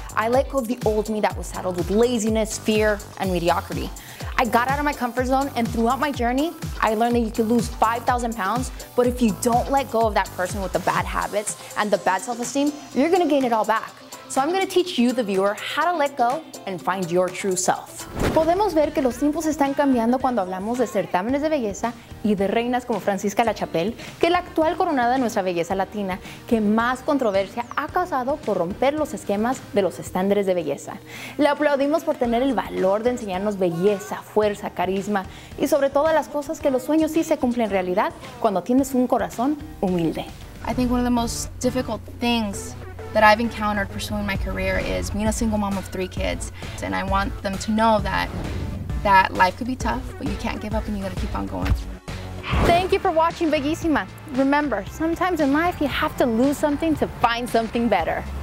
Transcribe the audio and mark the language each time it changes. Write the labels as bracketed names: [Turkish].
[English] I let go of the old me that was saddled with laziness, fear, and mediocrity. I got out of my comfort zone, and throughout my journey, I learned that you can lose 5,000 pounds, but if you don't let go of that person with the bad habits and the bad self-esteem, you're gonna gain it all back. So I'm gonna teach you, the viewer, how to let go and find your true self. [Spanish] Podemos ver que los tiempos están cambiando cuando hablamos de certámenes de belleza y de reinas como Francisca LaChapelle, que es la actual coronada de nuestra belleza latina, que más controversia ha causado por romper los esquemas de los estándares de belleza. Le aplaudimos por tener el valor de enseñarnos belleza, fuerza, carisma y sobre todo las cosas que los sueños sí se cumplen en realidad cuando tienes un corazón humilde. [English] I think one of the most difficult things that I've encountered pursuing my career is being a single mom of three kids. And I want them to know that life could be tough, but you can't give up and you gotta keep on going. Thank you for watching Bellissima. Remember, sometimes in life you have to lose something to find something better.